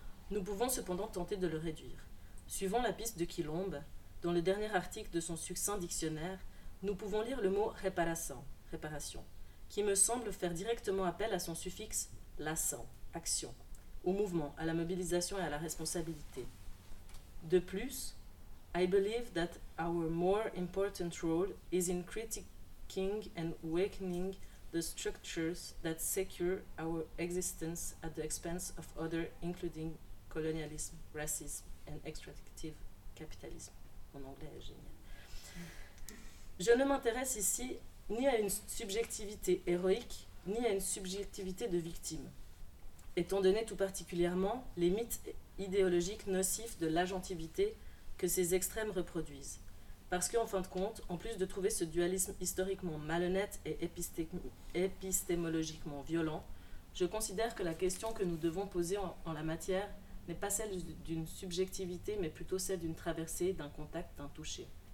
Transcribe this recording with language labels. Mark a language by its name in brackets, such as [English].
[French] Nous pouvons cependant tenter de le réduire. Suivant la piste de Quilombe, dans le dernier article de son succinct dictionnaire, nous pouvons lire le mot réparation, qui me semble faire directement appel à son suffixe lassant, action, au mouvement, à la mobilisation et à la responsabilité. De plus, [English] I believe that our more important role is in critiquing and awakening the structures that secure our existence at the expense of other, including colonialism, racism, and extractive capitalism. [French] En anglais, génial. Je ne m'intéresse ici ni à une subjectivité héroïque, ni à une subjectivité de victime, étant donné tout particulièrement les mythes idéologiques nocifs de l'agentivité que ces extrêmes reproduisent. Parce qu'en fin de compte, en plus de trouver ce dualisme historiquement malhonnête et épistémologiquement violent, je considère que la question que nous devons poser en la matière n'est pas celle d'une subjectivité, mais plutôt celle d'une traversée, d'un contact, d'un toucher.